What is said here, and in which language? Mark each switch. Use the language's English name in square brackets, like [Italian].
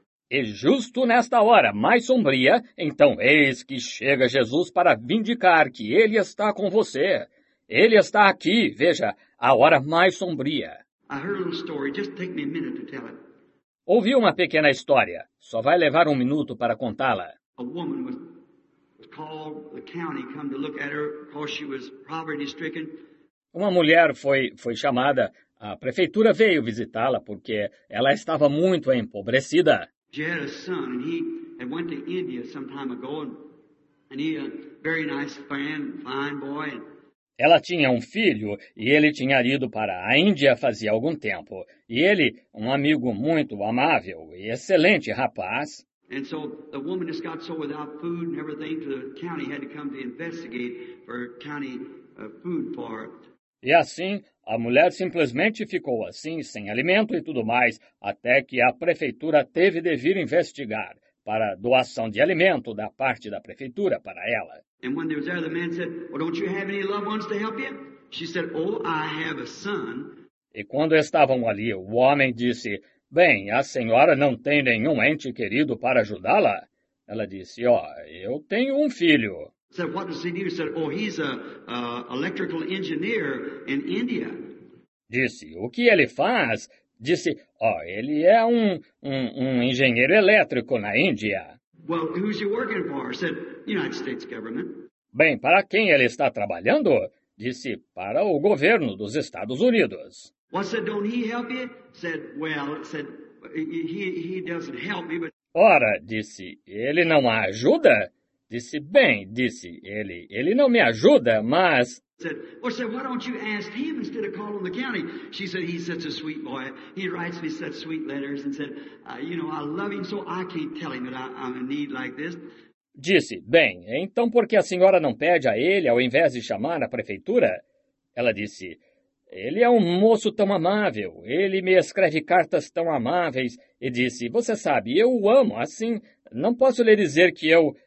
[Portuguese] E justo nesta hora mais sombria, então eis que chega Jesus para vindicar que ele está com você. Ele está aqui, veja, a hora mais sombria. [English] I heard a little story. Just take me a minute to tell it. [Portuguese] Ouvi uma pequena história. Só vai levar um minuto para contá-la. [English] A woman was called the county come to look at her because she was poverty stricken. [Portuguese] Uma mulher foi chamada. A prefeitura veio visitá-la porque ela estava muito empobrecida. [English] She had a son, and he had went to India some time ago, and he a very nice man, fine boy. [Portuguese] Ela tinha um filho, e ele tinha ido para a Índia fazia algum tempo. E ele, um amigo muito amável e excelente rapaz. [English] And so the woman just got so without food and everything, to the county had to come to investigate for county food for it. [Portuguese] E assim, a mulher simplesmente ficou assim, sem alimento e tudo mais, até que a prefeitura teve de vir investigar para doação de alimento da parte da prefeitura para ela. [English] And when they were there, the man said, well, don't you have any loved ones to help you? She said, oh, I have a son. [Portuguese] E quando estavam ali, o homem disse, bem, a senhora não tem nenhum ente querido para ajudá-la? Ela disse, ó, eu tenho um filho. [English] Said, what does he do? Said, oh, he's an electrical engineer in India. [Portuguese] Disse, o que ele faz? Disse, oh, ele é um engenheiro elétrico na Índia. [English] Well, who's he working for? Said, United States government. [Portuguese] Bem, para quem ele está trabalhando? Disse, para o governo dos Estados Unidos. [English] Well, said, don't he help you? Said, well, said, he doesn't help me, but... [Portuguese] Ora, disse, ele não a ajuda? Disse, bem, disse ele, ele não me ajuda, mas... [English] Said, well, said, why don't you ask him instead of calling the county? She said, he's such a sweet boy. He writes me such sweet letters and said, you know, I love him, so I can't tell him that I'm in need like this. [Portuguese] Disse, bem, então por que a senhora não pede a ele ao invés de chamar a prefeitura? Ela disse, ele é um moço tão amável, ele me escreve cartas tão amáveis. E disse, você sabe, eu o amo, assim, não posso lhe dizer que eu...